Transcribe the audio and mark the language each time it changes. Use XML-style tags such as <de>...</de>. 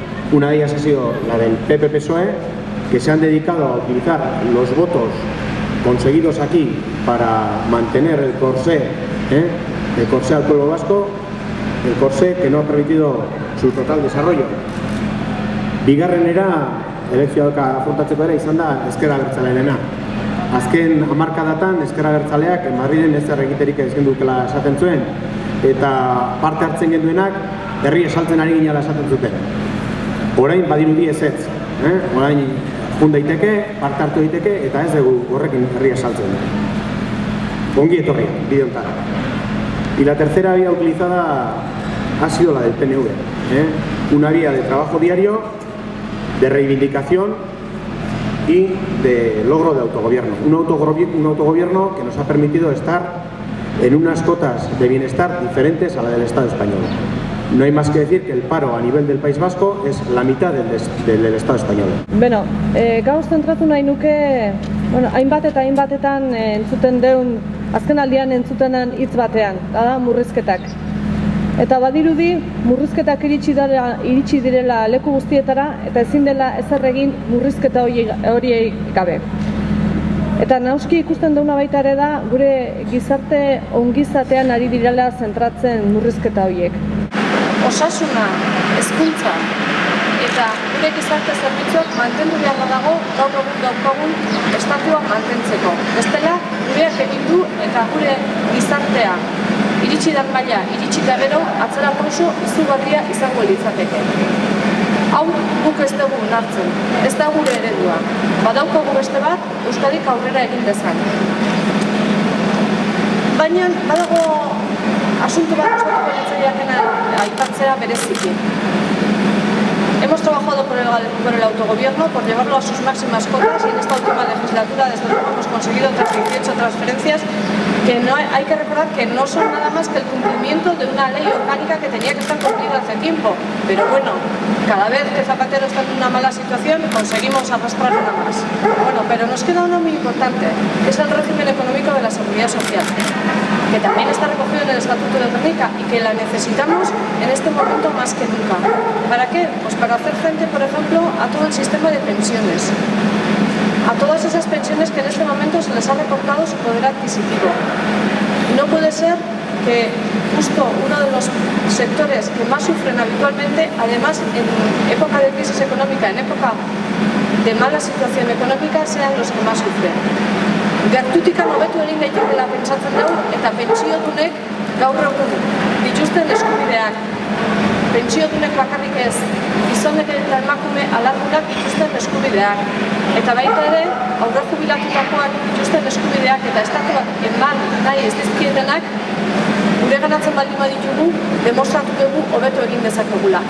<es>Una de ellas ha sido la del PP-PSOE, que se han dedicado a utilizar los votos conseguidos aquí para mantener el corsé al pueblo vasco, el corsé que no ha permitido su total desarrollo.</es> <eu>Bigarrenera, elekzioak afrontatzeko ere izan da Ezker Abertzalearena. Azken hamarkadatan Ezker Abertzaleak Madriden ezer egiterik ez gendukela esaten zuen, eta parte hartzen genduenak herri esaltzen ari ginela esaten zuten. Orain badirudi ezetz, orain jun daiteke, parte hartu daiteke, eta ez dugu horrekin herri esaltzen. Ongi etorri, bide honetan.</eu> <es>Y la tercera vía utilizada ha sido la del PNV. Una vía de trabajo diario, de reivindicación y de logro de autogobierno. Un autogobierno que nos ha permitido estar en unas cotas de bienestar diferentes a la del Estado español. No hay más que decir que el paro a nivel del País Vasco es la mitad del Estado español.</es> <eu>Bueno, gaur zentratu nahi nuke, hainbat eta hainbatetan entzuten deun, azken aldian entzutenan hitz batean, da murrizketak. Eta badirudi murrizketak iritsi direla leku guztietara eta ezin dela ezer egin murrizketa horiei gabe. Eta nauski ikusten duguna baita ere da gure gizarte ongizatean ari direla zentratzen murrizketa horiek. Osasuna, hezkuntza eta gure gizarte zerbitzuak mantendu beharra dago gaur egun estatua mantentzeko. Bestela gureak egin du eta gure gizartea iritsi dan maila, iritsi da gero, atzera pauso izugarria izango litzateke. Hau guk ez dugu onartzen, ez da gure eredua. Badaukagu beste bat, Euskadik aurrera egin dezan. Baina, badago asuntu bat Euskadik politzaileakena aipatzea bereziki.</eu> <es>Hemos trabajado por el autogobierno, por llevarlo a sus máximas cotas y en esta última legislatura desde luego hemos conseguido 38 transferencias que no hay que recordar que no son nada más que el cumplimiento de una ley orgánica que tenía que estar cumplida hace tiempo. Pero bueno, cada vez que Zapatero está en una mala situación conseguimos arrastrar una más. Bueno, pero nos queda una muy importante, que es el régimen económico de la seguridad social, que también está recogido en el Estatuto de Autonomía y que la necesitamos en este momento más que nunca. ¿Para qué? Pues para hacer frente, por ejemplo, a todo el sistema de pensiones, a todas esas pensiones que en este momento se les ha recortado su poder adquisitivo. No puede ser que justo uno de los sectores que más sufren habitualmente, además en época de crisis económica, en época de mala situación económica, sean los que más sufren.</es> <eu>Gertutik hobetu egin daitekeela pentsatzen dugu eta pentsiodunek gaur egun dituzten eskubideak, pentsiodunek bakarrik ez, gizonek eta emakume alargunak dituzten eskubideak, eta baita ere aurre jubilatutakoak dituzten eskubideak eta estatuak eman nahi ez dizkietenak gure ganatzen baldin baditugu, demostratu dugu hobetu egin dezakegula.</eu>